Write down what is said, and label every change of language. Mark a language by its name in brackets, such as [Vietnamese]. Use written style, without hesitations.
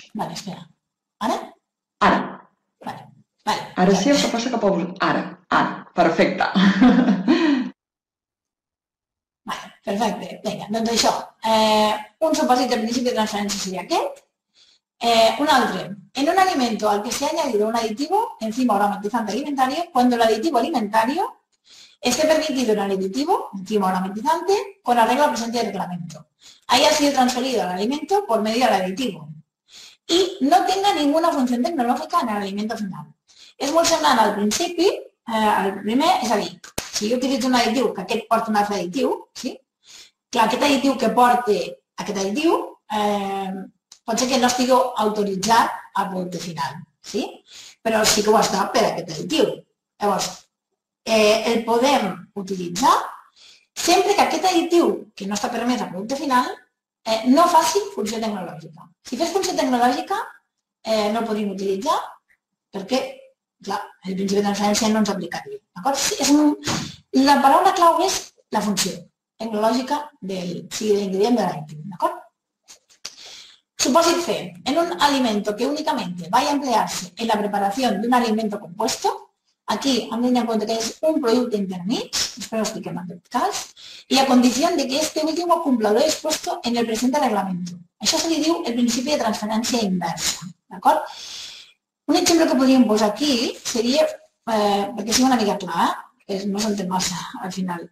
[Catalan] Vale, espera. Ara? Ara. Vale. Vale. Ara sí, el que passa que pots... Ara. Perfecte. Vale, perfecte. Vinga, doncs això. Un supòsit del principi de transferència seria aquest. Un altre. [Spanish] En un alimento al que se ha añadido un aditivo, enzima o aromatizante alimentario, cuando el aditivo alimentario esté permitido en el aditivo, enzima o aromatizante, con arreglo presente del reglamento, haya sido transferido al alimento por medio del aditivo y no tenga ninguna función tecnológica en el alimento final. Es muy [Catalan] semblant al principi, al primer, és a dir, si jo utilitzo un aditiu, que aquest porta un altre aditiu, sí? Clar, aquest aditiu que porta aquest aditiu, pot ser que no estigui autoritzat al producte final, sí? Però sí que ho està per aquest aditiu. Llavors, el podem utilitzar sempre que aquest aditiu que no està permès al producte final no faci funció tecnològica. Si fes funció tecnològica, no el podríem utilitzar perquè, clar, el principi de transferència no ens aplica aquí. D'acord? Sí, la paraula clau és la funció tecnològica del, sigui l'ingredient de l'aditiu. D'acord? Supòsit C. [Spanish] En un alimento que únicamente vaya a emplearse en la preparación de un alimento compuesto, [Catalan] aquí hem de tenir en compte que és un producte intermig, espero que expliquem en aquest cas, [Spanish] i a condició de que este último cumpla lo expuesto en el present reglamento. [Catalan] Això se li diu el principi de transferència inversa. D'acord? Un exemple que podríem posar aquí seria, perquè sigui una mica clar, que no s'entén massa al final.